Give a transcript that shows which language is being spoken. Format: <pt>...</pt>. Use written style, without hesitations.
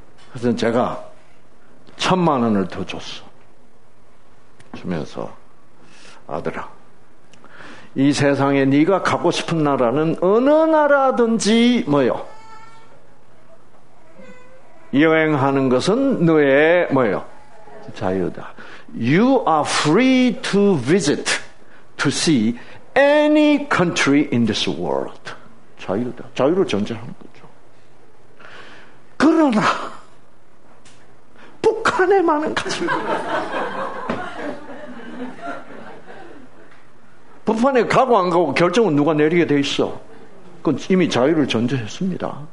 <ko>그래서 제가 1천만 원을 더 줬어. 주면서, 아들아, 이 세상에 네가 가고 싶은 나라는 어느 나라든지 뭐요? 여행하는 것은 너의 뭐요? 자유다.</ko> <en>You are free to visit, to see any country in this world.</en> <ko>자유다. 자유를 전제하는 거죠. 그러나 북한에만은 가지 마. 북한에 가고 안 가고 결정은 누가 내리게 돼 있어? 그건 이미 자유를 전제했습니다.</ko>